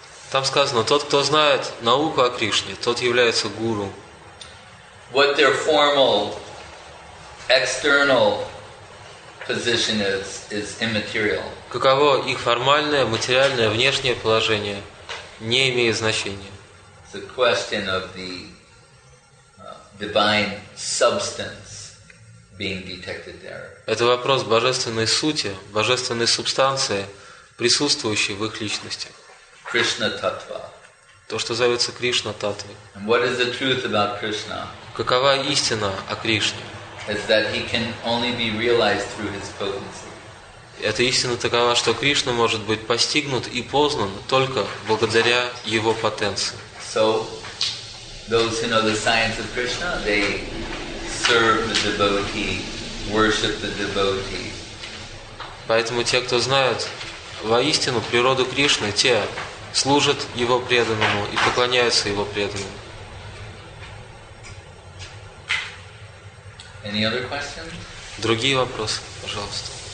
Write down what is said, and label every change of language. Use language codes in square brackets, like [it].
[ru] Там сказано, тот, кто знает науку о Кришне, тот является гуру. [en] What their formal, external position is immaterial. [ru] Каково их формальное, материальное, внешнее положение не имеет значения. [en] The question of the divine substance being detected there. [ru] Это вопрос божественной сути, божественной субстанции, присутствующей в их личностях. Кришна-татва. То, что зовется Кришна-татвой. [en] And what is the truth about Krishna? [ru] Какова истина о Кришне? [en] Is that he can only be realized through his potency. [ru] Эта истина такова, что Кришна может быть постигнут и познан только благодаря его потенции. [en] So, those who know the science of Krishna, they serve the devotee, worship the devotee. [ru] Поэтому те, кто знают воистину природу Кришны, те служат его преданному и поклоняются его преданному. [en] Any other questions? [ru] Другие вопросы, пожалуйста.